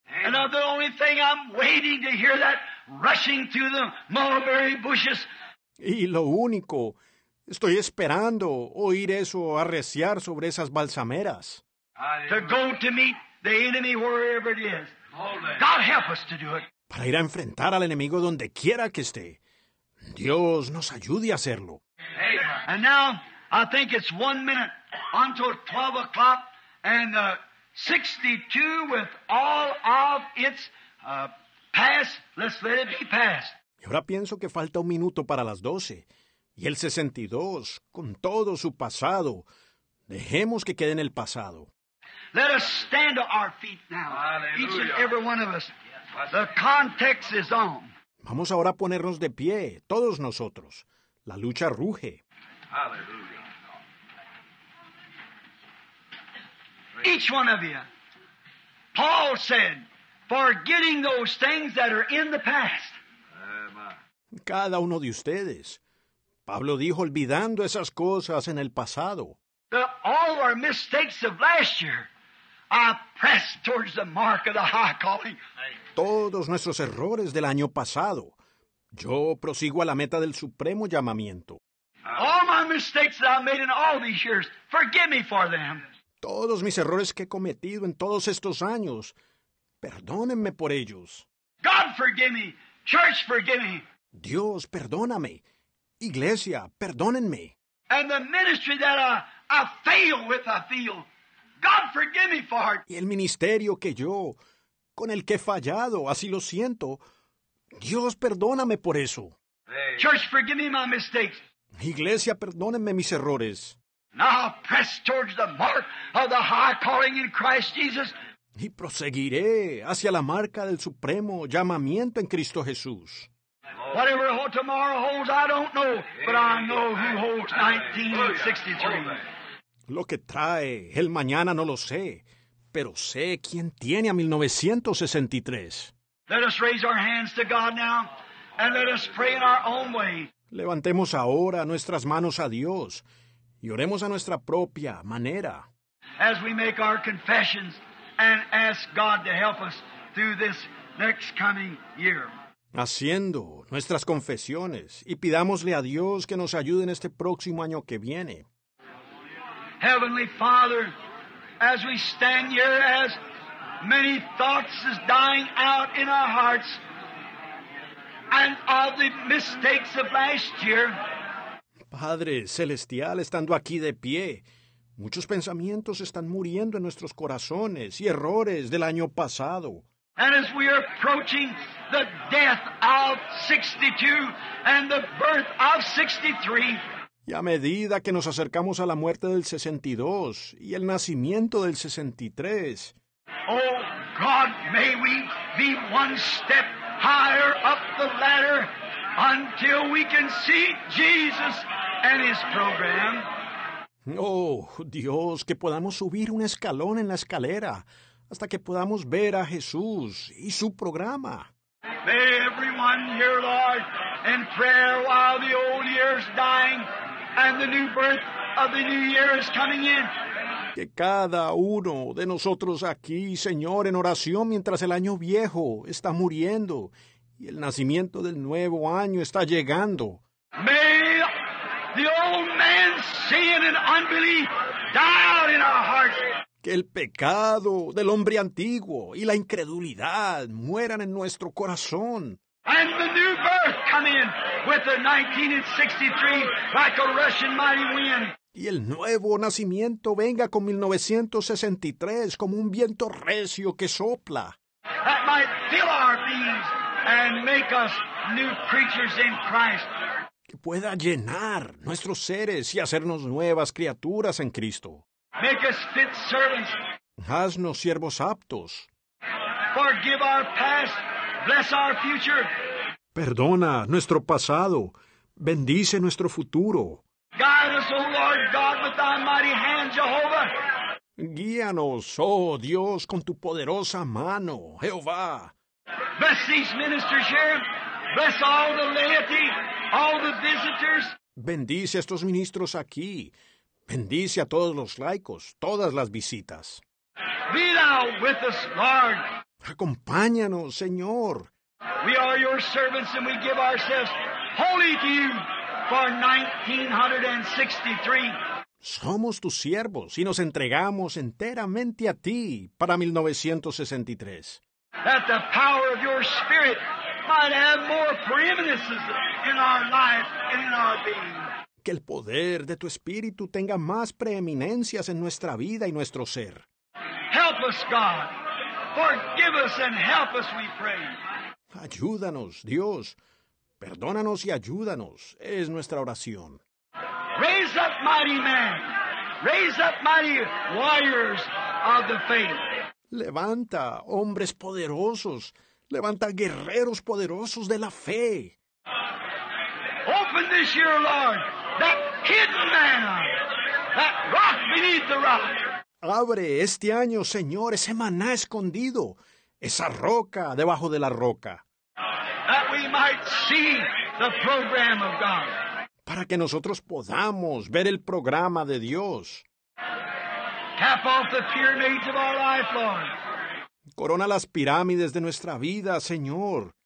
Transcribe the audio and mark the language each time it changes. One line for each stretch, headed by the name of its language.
English: And now the only thing I'm waiting to hear that rushing through the mulberry bushes.
Spanish: Y lo único, estoy esperando oír eso arreciar sobre esas balsameras.
English: To go to meet the enemy wherever it is. God help us to do it.
Spanish: Para ir a enfrentar al enemigo donde quiera que esté. Dios nos ayude a hacerlo.
English: And now, I think it's 1 minute until 12 o'clock and 62 with all of its past. Let's let it be past.
Spanish: Y ahora pienso que falta 1 minuto para las 12. Y el 62, con todo su pasado, dejemos que quede en el pasado.
English: Let us stand to our feet now. Hallelujah. Each and every one of us. The context is on.
Spanish: Vamos ahora a ponernos de pie, todos nosotros. La lucha ruge.
English: Hallelujah. Each one of you. Paul said, forgetting those things that are in the past.
Spanish: Cada uno de ustedes. Pablo dijo, olvidando esas cosas en el pasado.
English: All our mistakes of last year, I press towards the mark of the high calling.
Spanish: Todos nuestros errores del año pasado, yo prosigo a la meta del supremo llamamiento.
English: All my mistakes that I made in all these years, forgive me for them.
Spanish: Todos mis errores que he cometido en todos estos años, perdónenme por ellos.
English: God forgive me. Church forgive me.
Spanish: Dios, perdóname. Iglesia, perdónenme.
English: And the ministry that I fail with, I feel. God forgive me for it.
Spanish: Y el ministerio que yo, con el que he fallado, así lo siento. Dios, perdóname por eso.
English: Church, forgive me my mistakes.
Spanish: Iglesia, perdónenme mis errores.
English: Now press towards the mark of the high calling in Christ Jesus.
Spanish: Y proseguiré hacia la marca del supremo llamamiento en Cristo Jesús.
English: Whatever tomorrow holds, I don't know, but I know who holds 1963.
Spanish: Lo que trae el mañana no lo sé, pero sé quién tiene a 1963.
English: Let us raise our hands to God now, and let us pray in our own way.
Spanish: Levantemos ahora nuestras manos a Dios y oremos a nuestra propia manera.
English: As we make our confessions and ask God to help us through this next coming year.
Spanish: Haciendo nuestras confesiones y pidámosle a Dios que nos ayude en este próximo año que viene.
English: Heavenly Father, as we stand here, as many thoughts is dying out in our hearts, and all the mistakes of last year.
Spanish: Padre celestial, estando aquí de pie, muchos pensamientos están muriendo en nuestros corazones y errores del año pasado.
English: And as we are approaching the death of 62 and the birth of 63.
Spanish: Y a medida que nos acercamos a la muerte del 62 y el nacimiento del 63.
English: Oh, God, may we be one step higher up the ladder until we can see Jesus and His program.
Spanish: Oh, Dios, que podamos subir un escalón en la escalera hasta que podamos ver a Jesús y su programa.
English: May everyone here, Lord, in prayer while the old year's dying and the new birth of the new year is coming in.
Spanish: Que cada uno de nosotros aquí, Señor, en oración mientras el año viejo está muriendo y el nacimiento del nuevo año está llegando.
English: May the old man sin and unbelief die out in our hearts.
Spanish: Que el pecado del hombre antiguo y la incredulidad mueran en nuestro corazón.
English: And the new birth come in with the 1963 like a rushing mighty wind.
Spanish: Y el nuevo nacimiento venga con 1963 como un viento recio que sopla.
English: That might fill our beings and make us new creatures in Christ.
Spanish: Que pueda llenar nuestros seres y hacernos nuevas criaturas en Cristo.
English: Make us fit servants.
Spanish: Haznos siervos aptos.
English: Forgive our past, bless our future.
Spanish: Perdona nuestro pasado, bendice nuestro futuro.
English: Guide us, O Lord God, with thy mighty hand, Jehovah.
Spanish: Guíanos, oh Dios, con tu poderosa mano, Jehová.
English: Bless these ministers here. Bless all the laity, all the visitors.
Spanish: Bendice a estos ministros aquí. Bendice a todos los laicos, todas las visitas.
English: Be thou with us, Lord.
Spanish: Acompáñanos, Señor.
English: We are your servants and we give ourselves wholly to you for 1963.
Spanish: Somos tus siervos y nos entregamos enteramente a ti para 1963.
English: That the power of your spirit might have more preeminence in our life and in our being.
Spanish: Que el poder de tu espíritu tenga más preeminencias en nuestra vida y nuestro ser.
English: Help us, God. Forgive us and help us, we pray.
Spanish: Ayúdanos, Dios. Perdónanos y ayúdanos, es nuestra oración.
English: Raise up mighty men. Raise up mighty warriors of the faith.
Spanish: Levanta hombres poderosos. Levanta guerreros poderosos de la fe.
English: Open this year, Lord, that hidden manna, that rock beneath the rock.
Spanish: Abre este año, Señor, ese maná escondido, esa roca debajo de la roca.
English: That we might see the program of God.
Spanish: Para que nosotros podamos ver el programa de Dios.
English: Cap off the pyramids of our life, Lord.
Spanish: Corona las pirámides de nuestra vida, Señor.